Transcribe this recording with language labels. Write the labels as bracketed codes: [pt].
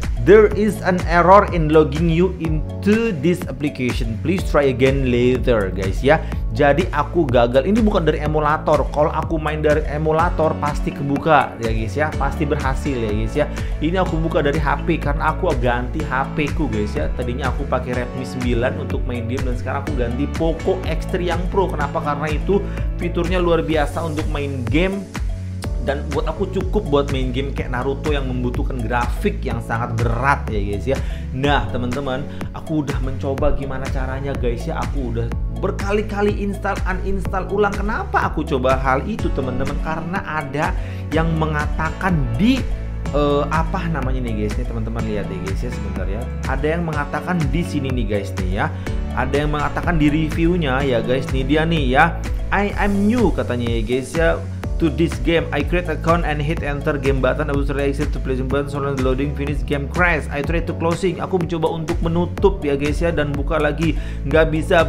[en] There is an error in logging you into this application. Please try again later, guys ya. [id] Jadi aku gagal. Ini bukan dari emulator. Kalau aku main dari emulator pasti kebuka ya guys ya. Pasti berhasil ya guys ya. Ini aku buka dari HP karena aku ganti HP-ku guys ya. Tadinya aku pakai Redmi 9 untuk main game dan sekarang aku ganti Poco X3 yang Pro. Kenapa? Karena itu fiturnya luar biasa untuk main game. Dan buat aku cukup buat main game kayak Naruto yang membutuhkan grafik yang sangat berat ya guys ya. Nah teman-teman, aku udah mencoba gimana caranya guys ya. Aku udah berkali-kali install, uninstall ulang. Kenapa aku coba hal itu teman-teman? Karena ada yang mengatakan di apa namanya nih guys nih, teman-teman lihat ya guys ya sebentar ya. Ada yang mengatakan di sini nih guys nih ya. Ada yang mengatakan di reviewnya ya guys nih, dia nih ya. [en] I am new [id] katanya ya guys ya. [en] To this game, I create account and hit enter game button. I was reacted to play button, so long loading, finish game crash. I try to closing. [id] Aku mencoba untuk menutup ya guys ya dan buka lagi, nggak bisa.